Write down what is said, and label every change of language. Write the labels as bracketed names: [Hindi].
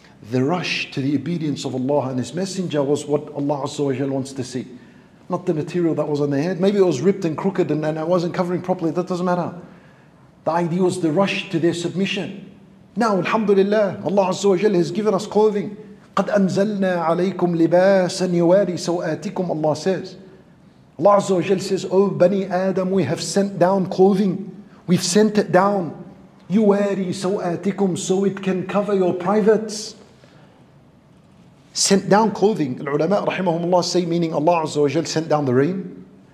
[English] The rush to the obedience of Allah and His Messenger was what Allah Azza wa Jal wants to see. Not the material that was on their head. Maybe it was ripped and crooked and it wasn't covering properly. That doesn't matter. The idea was the rush to their submission. Now, alhamdulillah, Allah Azza wa Jal has given us clothing. [Arabic] قَدْ أَنزَلْنَا عَلَيْكُمْ لِبَاسًا يُوَارِي سَوْآتِكُمْ [English] Allah says. Allah Azza wa Jal says, O Bani Adam, we have sent down clothing. We've sent it down. [Arabic] يُوَارِي سَوْآتِكُمْ [English] So it can cover your privates. Sent down clothing. [Arabic] العلماء رحمهم الله [English] say, meaning Allah Azza wa Jal sent down the rain.